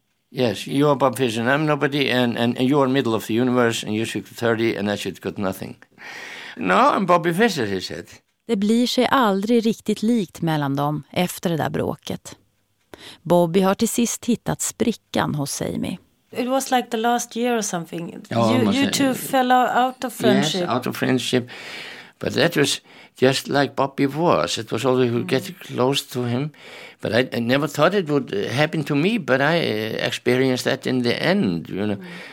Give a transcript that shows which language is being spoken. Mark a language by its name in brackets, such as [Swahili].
[English] Yes, you are Bob Fischer and I'm nobody and you are middle of the universe and you should get 30 and I should get nothing. No, I'm Bobby Fischer, he said. [Swedish] Det blir sig aldrig riktigt likt mellan dem efter det där bråket. Bobby har till sist hittat sprickan hos Sammy. [English] It was like the last year or something. You two fell out of friendship. Yes, out of friendship. But that was just like Bobby was. It was always we'd get close to him. But I never thought it would happen to me, but I experienced that in the end, you know.